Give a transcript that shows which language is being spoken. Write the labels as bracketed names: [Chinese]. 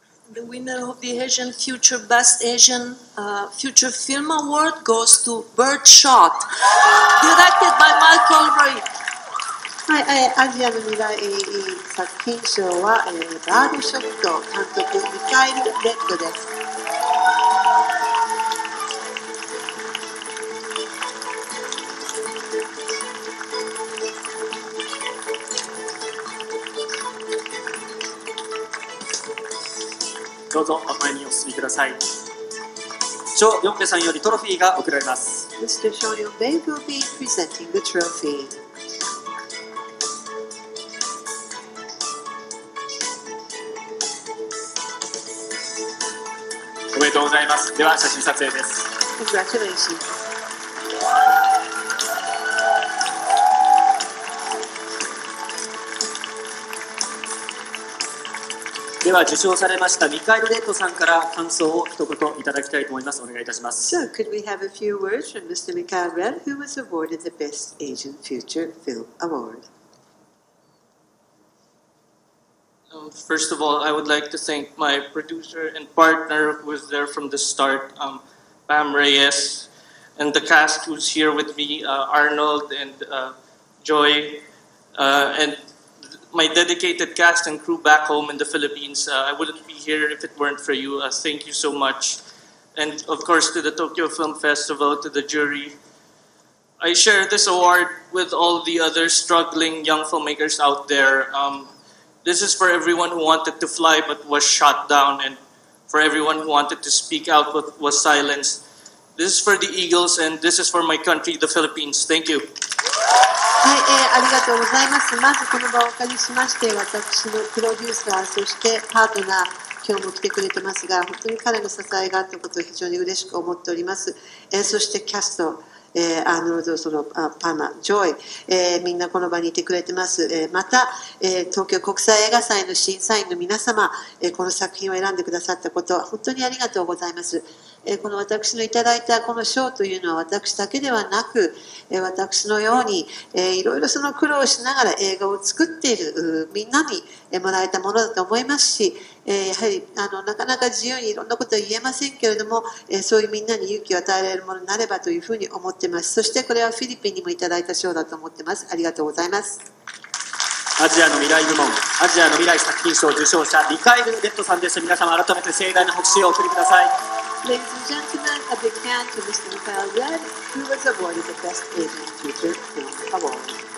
[English] The winner of the Asian Future Best Asian Future Film Award goes to Birdshot, directed by Michael Reed. [Japanese] はい、アジアの未来作品賞は、バードショット監督ミカイル・レッドです。どうぞお前にお進みください。ショー・ヨンペさんよりトロフィーが贈られます。 [English] Mr. ショー・ヨンペ will be presenting the trophy. [Japanese] おめでとうございます。では写真撮影です。 [English] Congratulations. [Japanese] では受賞されましたミカイル・レッドさんから感想を一言いただきたいと思います。お願いいたします。 [English] So, could we have a few words from Mr. Mikhail Red, who was awarded the Best Asian Feature Film Award? First of all, I would like to thank my producer and partner who was there from the start, Pam Reyes, and the cast who's here with me, Arnold and Joy, and my dedicated cast and crew back home in the Philippines. I wouldn't be here if it weren't for you. Thank you so much. And of course, to the Tokyo Film Festival, to the jury. I share this award with all the other struggling young filmmakers out there. This is for everyone who wanted to fly but was shot down, and for everyone who wanted to speak out but was silenced. This is for the Eagles, and this is for my country, the Philippines. Thank you. [Japanese] はい、ありがとうございます。まずこの場をお借りしまして、私のプロデューサー、そしてパートナー、今日も来てくれてますが、本当に彼の支えがあったことを非常に嬉しく思っております。そしてキャスト。アーノルド、そのパーマ、ジョイ、みんなこの場にいてくれてます、また、東京国際映画祭の審査員の皆様、この作品を選んでくださったこと本当にありがとうございます、この私のいただいたこの賞というのは私だけではなく、私のように、いろいろその苦労しながら映画を作っているみんなにもらえたものだと思いますし、やはりなかなか自由にいろんなことは言えませんけれども、そういうみんなに勇気を与えられるものになればというふうに思っています。そしてこれはフィリピンにもいただいた賞だと思っています。ありがとうございます。アジアの未来部門、アジアの未来作品賞受賞者ミカイル・レッドさんです。皆様改めて盛大な拍手をお送りください。 [English] Ladies and gentlemen, a big hand to Mr. Mikhail Red, who was awarded the Best Asian Feature Film Award.